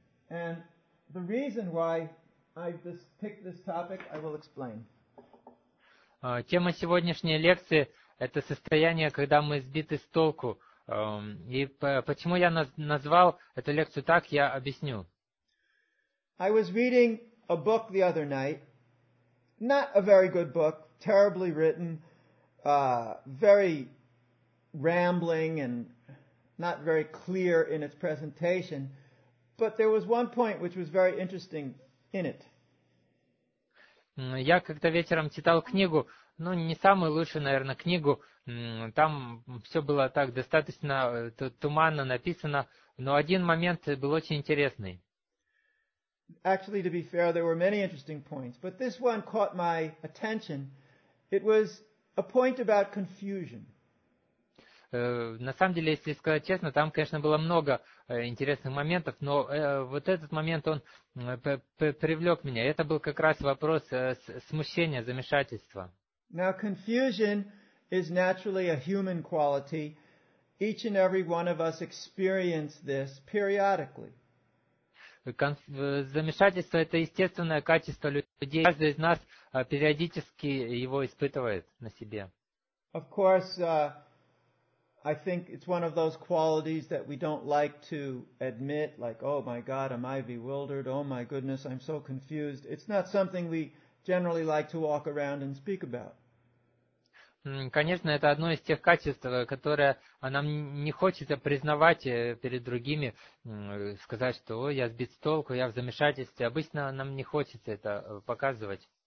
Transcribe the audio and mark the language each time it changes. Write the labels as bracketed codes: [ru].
[en] And the reason why I picked this topic, I will explain. [ru] Тема сегодняшней лекции – это состояние, когда мы сбиты с толку. И почему я назвал эту лекцию так, я объясню. [en] I was reading a book the other night. Not a very good book, terribly written, very rambling and not very clear in its presentation, but there was one point which was very interesting in it. [ru] Я когда вечером читал книгу, ну, не самую лучшую, наверное, книгу, там все было так достаточно туманно написано, но один момент был очень интересный. [en] Actually, to be fair, there were many interesting points, but this one caught my attention. It was a point about confusion. [ru] На самом деле, если сказать честно, там, конечно, было много интересных моментов, но вот этот момент, он привлек меня. Это был как раз вопрос смущения, замешательства. [en] Now, confusion is naturally a human quality. Each and every one of us experience this periodically. [ru] Замешательство – это естественное качество людей. Каждый из нас периодически его испытывает на себе. [en] Of course, I think it's one of those qualities that we don't like to admit, like, oh my God, am I bewildered? Oh my goodness, I'm so confused. It's not something we generally like to walk around and speak about. [ru] Конечно, это одно из тех качеств, которое нам не хочется признавать перед другими, сказать, что ой, я сбит с толку, я в замешательстве. Обычно нам не хочется это показывать.